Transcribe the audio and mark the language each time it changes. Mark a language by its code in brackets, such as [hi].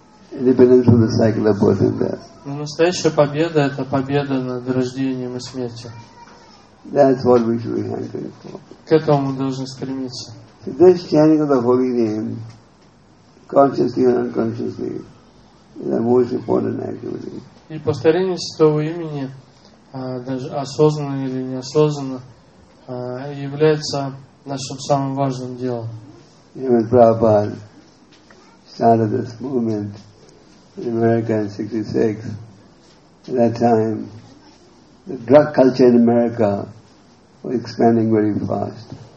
[ru] Но настоящая победа – это победа над рождением и смертью. К этому мы должны стремиться. [en] So this chanting of the holy name, consciously and unconsciously, is the most important activity. [ru] И повторение святого имени, даже осознанно или неосознанно, является нашим самым важным делом. [en] Even Prabhupada started this movement in America in 66. At that time, the drug culture in America was expanding very fast.